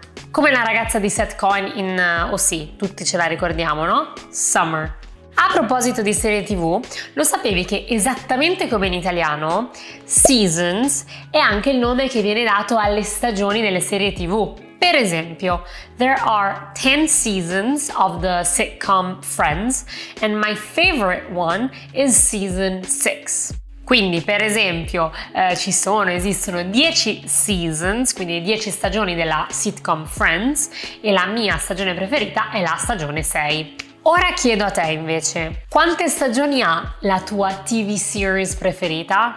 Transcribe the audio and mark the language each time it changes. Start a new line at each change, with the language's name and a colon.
Italian: Come la ragazza di Seth Cohen in OC, tutti ce la ricordiamo, no? Summer. A proposito di serie TV, lo sapevi che esattamente come in italiano, seasons è anche il nome che viene dato alle stagioni delle serie TV. Per esempio,
English: there are 10 seasons of the sitcom Friends and my favorite one is season 6.
Italian: Quindi, per esempio, esistono 10 seasons, quindi 10 stagioni della sitcom Friends e la mia stagione preferita è la stagione 6. Ora chiedo a te invece, quante stagioni ha la tua TV series preferita?